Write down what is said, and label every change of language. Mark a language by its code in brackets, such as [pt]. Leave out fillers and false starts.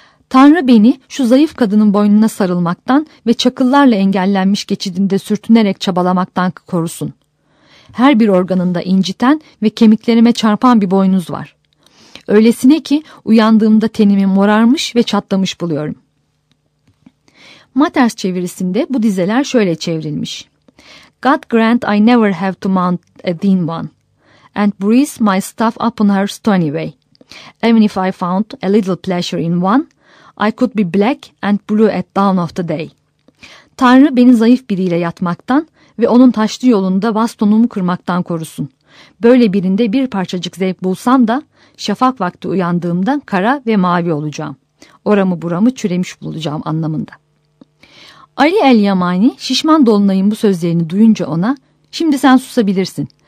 [tr] Tanrı beni şu zayıf kadının boynuna sarılmaktan ve çakıllarla engellenmiş geçidinde sürtünerek çabalamaktan korusun. Her bir organında inciten ve kemiklerime çarpan bir boynuz var. Öylesine ki uyandığımda tenimi morarmış ve çatlamış buluyorum. Mathers çevirisinde bu dizeler şöyle çevrilmiş. [en] God grant I never have to mount a thin one and breeze my stuff upon her stony way. Even if I found a little pleasure in one, I could be black and blue at dawn of the day. [tr] Tanrı beni zayıf biriyle yatmaktan ve onun taşlı yolunda bastonumu kırmaktan korusun. Böyle birinde bir parçacık zevk bulsam da şafak vakti uyandığımda kara ve mavi olacağım. Oramı buramı çüremiş bulacağım anlamında. Ali el-Yamani şişman dolunayın bu sözlerini duyunca ona şimdi sen susabilirsin.